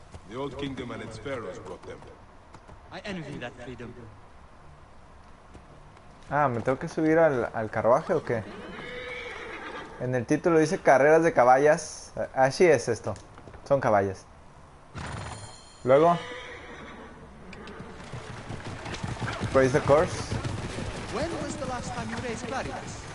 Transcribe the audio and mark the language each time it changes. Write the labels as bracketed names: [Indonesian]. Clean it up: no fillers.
[English] The old kingdom and its pharaohs brought them. I envy that freedom. [Spanish] Ah, ¿me tengo que subir al carruaje o qué? En el título dice carreras de caballas. Así es esto. Son caballas. Luego. [English] Praise the Course. When was the last time you raised Claritas?